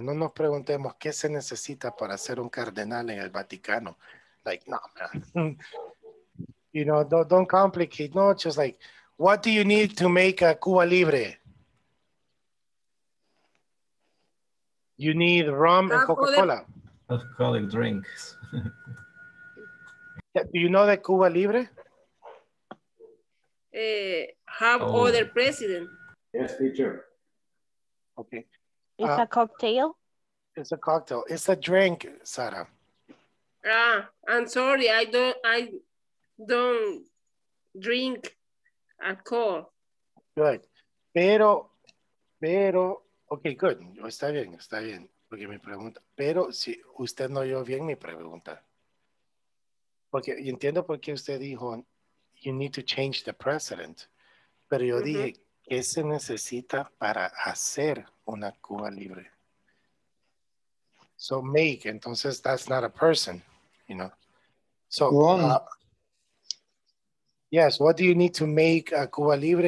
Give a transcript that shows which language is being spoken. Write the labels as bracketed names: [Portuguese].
[Spanish] No nos preguntemos qué se necesita para ser un cardenal en el Vaticano. [English] Like, no, man. You know, don't complicate. No, just like, what do you need to make a Cuba Libre? You need rum and Coca-Cola. Alcoholic drinks. Do you know the Cuba Libre? Other president. Yes, teacher. Okay. It's a cocktail? It's a cocktail. It's a drink, Sara. I'm sorry. I don't drink alcohol. Good. Pero, okay, good. [Spanish] Está bien. Porque mi pregunta, pero si usted no oyó bien mi pregunta. Porque y entiendo por qué usted dijo, [English] you need to change the president. [Spanish] Pero yo dije, ¿qué se necesita para hacer una Cuba Libre? [English] So make, entonces that's not a person, you know. So, yes, what do you need to make a Cuba Libre?